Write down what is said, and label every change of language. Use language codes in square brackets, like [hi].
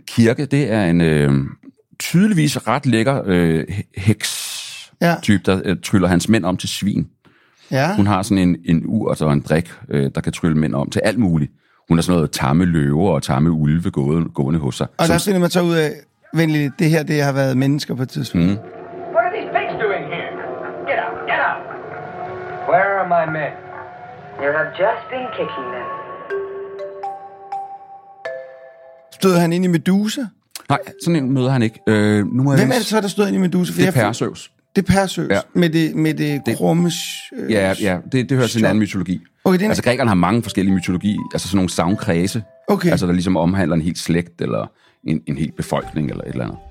[da] Kirke, det er en tydeligvis ret lækker heks-type, ja, der tryller hans mænd om til svin. Ja. Hun har sådan en urt og en drik, der kan trylle mænd om til alt muligt. Hun har sådan noget tamme løver og tamme ulve gående hos sig. Og der finder man så ud af, venligt, det her det har været mennesker på et tidspunkt. Mm. [en] What are these pigs doing here? Get out, get out! Where are my men? You have just been kicking them. [da] Stod han ind i Medusa? Nej, sådan en møder han ikke. Nu er hvem er det så, der stod ind i Medusa? For det er Perseus. Det er Perseus, ja. med det krumme... Det hører til en anden mytologi. Okay, altså grækerne har mange forskellige mytologi, altså sådan nogle savnkredse. Okay. Altså der ligesom omhandler en helt slægt, eller en helt befolkning, eller et eller andet.